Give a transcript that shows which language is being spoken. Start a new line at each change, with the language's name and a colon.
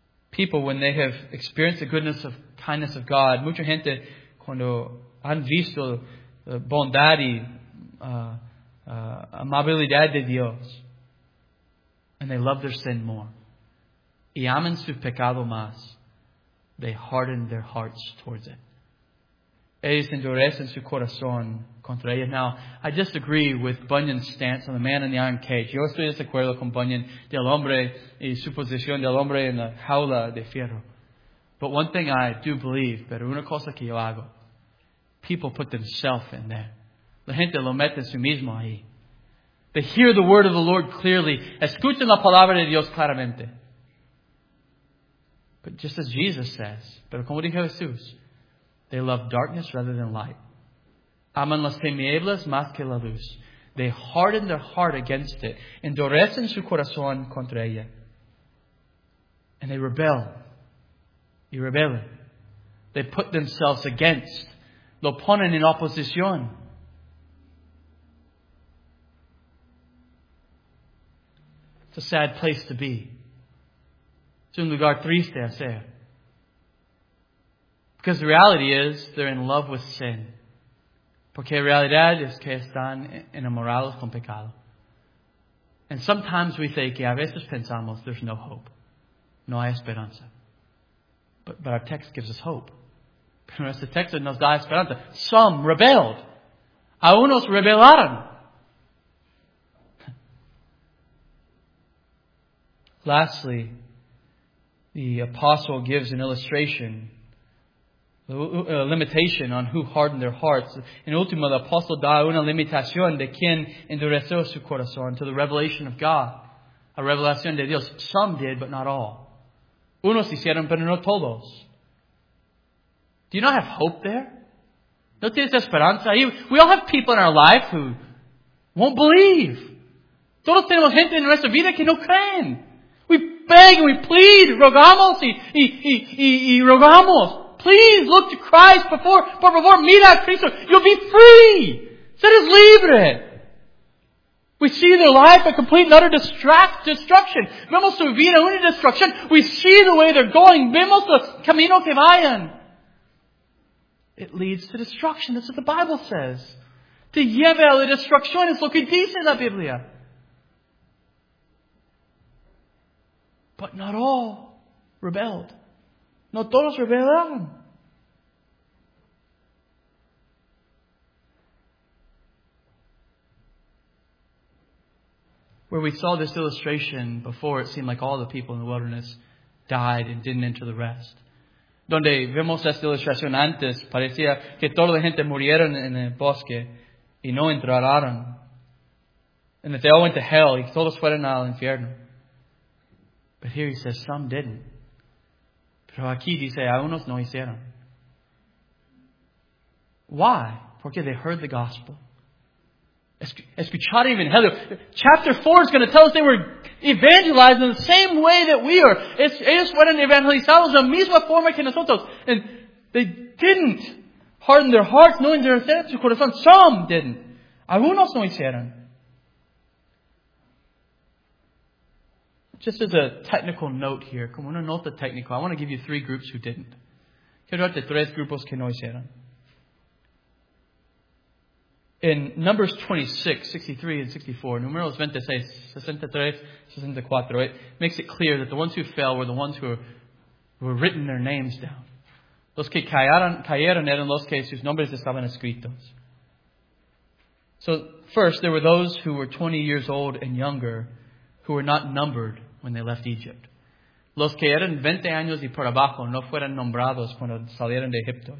English: People, when they have experienced the goodness of kindness of God,
Spanish: mucha gente cuando han visto la bondad y amabilidad de Dios,
English: and they love their sin more.
Spanish: Y aman su pecado más.
English: They harden their hearts towards it.
Spanish: Ellos endurecen su corazón contra ella.
English: Now, I disagree with Bunyan's stance on the man in the iron cage.
Spanish: Yo estoy de acuerdo con Bunyan del hombre y su posición del hombre en la jaula de fierro.
English: But one thing I do believe,
Spanish: pero una cosa que yo hago,
English: people put themselves in there.
Spanish: La gente lo mete su mismo ahí.
English: They hear the word of the Lord clearly.
Spanish: Escuchen la palabra de Dios claramente.
English: But just as Jesus says,
Spanish: pero como dijo Jesús,
English: they love darkness rather than light.
Spanish: Aman las tinieblas más que la luz.
English: They harden their heart against it.
Spanish: Endurecen su corazón contra ella.
English: And they rebel.
Spanish: Y rebelen.
English: They put themselves against.
Spanish: Lo ponen en oposición.
English: It's a sad place to be.
Spanish: Es un lugar triste hacer.
English: Because the reality is, they're in love with sin.
Spanish: Porque la realidad es que están enamorados con pecado.
English: And sometimes we think,
Spanish: y a veces pensamos,
English: there's no hope.
Spanish: No hay esperanza.
English: But our text gives us hope.
Spanish: Pero nuestro texto nos da esperanza.
English: Some rebelled.
Spanish: A unos rebelaron.
English: Lastly, the apostle gives an illustration, a limitation on who hardened their hearts.
Spanish: In ultimo, the apostle da una limitación de quien endureció su corazón
English: to the revelation of God.
Spanish: A revelación de Dios.
English: Some did, but not all.
Spanish: Unos hicieron, pero no todos.
English: Do you not have hope there?
Spanish: ¿No tienes esperanza?
English: We all have people in our life who won't believe.
Spanish: Todos tenemos gente en nuestra vida que no creen.
English: Beg and we plead,
Spanish: rogamos y rogamos.
English: Please look to Christ before
Spanish: mira a Cristo.
English: You'll be free.
Spanish: Seres libre.
English: We see their life a complete and utter destruction.
Spanish: Vemos su vida una destrucción.
English: We see the way they're going.
Spanish: Vemos el camino que vayan.
English: It leads to destruction. That's what the Bible says.
Spanish: Te lleva a la destrucción es lo que dice en la Biblia.
English: But not all rebelled.
Spanish: No todos rebelaron.
English: Where we saw this illustration before, it seemed like all the people in the wilderness died and didn't enter the rest.
Spanish: donde vemos esta ilustración antes, parecía que toda la gente murieron en el bosque y no entraron.
English: And that they all went to hell
Spanish: y todos fueron al infierno.
English: But here he says, some didn't.
Spanish: Pero aquí dice, a unos no hicieron.
English: Why? Porque they heard the gospel.
Spanish: Escucharon evangelio.
English: Chapter 4 is going to tell us they were evangelized in the same way that we are.
Spanish: Ellos fueron evangelizados de la misma forma que nosotros.
English: And they didn't harden their hearts,
Spanish: no endurecer su corazón.
English: Some didn't.
Spanish: Algunos no hicieron.
English: Just as a technical note here,
Spanish: como una nota técnica,
English: I want to give you three groups who didn't.
Spanish: Quiero darte tres grupos que no hicieron.
English: In Numbers 26, 63 and 64, Numeros 26, 63, 64, it makes it clear that the ones who fell were the ones who were written their names down.
Spanish: Los que cayeron eran los que sus nombres estaban escritos.
English: So first, there were those who were 20 years old and younger who were not numbered when they left Egypt.
Spanish: Los que eran 20 años y por abajo no fueron nombrados cuando salieron de Egipto.